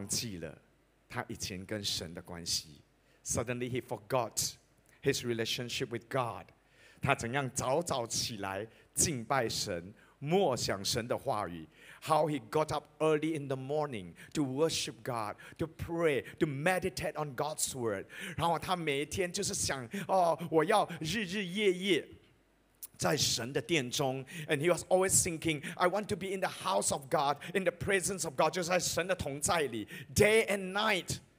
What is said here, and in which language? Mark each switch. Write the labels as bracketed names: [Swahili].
[Chinese] 什么都有了。突然间，他忘记了他以前跟神的关系。 [English] Suddenly he forgot his relationship with God. [Chinese] 他怎样早早起来敬拜神，默想神的话语。 [English] How he got up early in the morning to worship God, to pray, to meditate on God's word. [Chinese] 然后他每天就是想，哦，我要日日夜夜。在神的殿中, [English] and he was always thinking, I want to be in the house of God, in the presence of God, [Chinese] 就在神的同在里, [English] day and night.